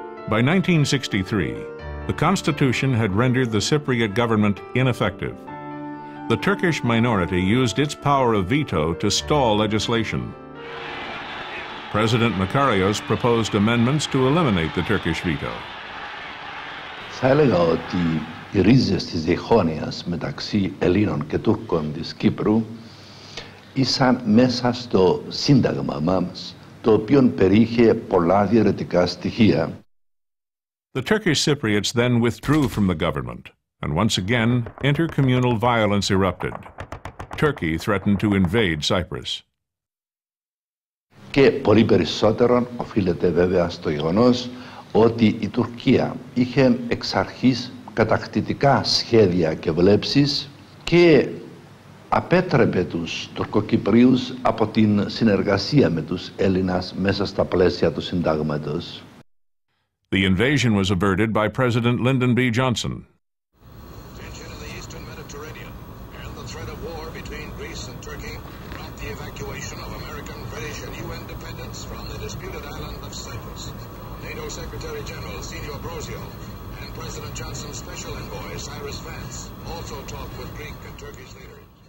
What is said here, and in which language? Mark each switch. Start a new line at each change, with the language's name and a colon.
English: By 1963, the Constitution had rendered the Cypriot government ineffective. The Turkish minority used its power of veto to stall legislation. President Makarios proposed amendments to eliminate the Turkish veto.
Greek: Θα έλεγα ότι οι ρίζες της διχόνοιας μεταξύ Ελλήνων και Τούρκων της Κύπρου ήσαν μέσα στο σύνταγμα μας, το οποίο περιείχε πολλά διαιρετικά στοιχεία.
English: The Turkish Cypriots then withdrew from the government, and once again, intercommunal violence erupted. Turkey threatened to invade Cyprus.
Greek: Και πολύ περισσότερο οφείλεται βέβαια στο γεγονός ότι η Τουρκία είχε εξ αρχής κατακτητικά σχέδια και βλέψεις και απέτρεπε τους Τουρκοκυπρίους από την συνεργασία με τους Έλληνες μέσα στα πλαίσια του συντάγματος.
English: The invasion was averted by President Lyndon B. Johnson. Tension in the eastern Mediterranean and the threat of war between Greece and Turkey brought the evacuation of American, British, and UN dependents from the disputed island of Cyprus. NATO Secretary General Senior Brosio and President Johnson's special envoy Cyrus Vance also talked with Greek and Turkish leaders.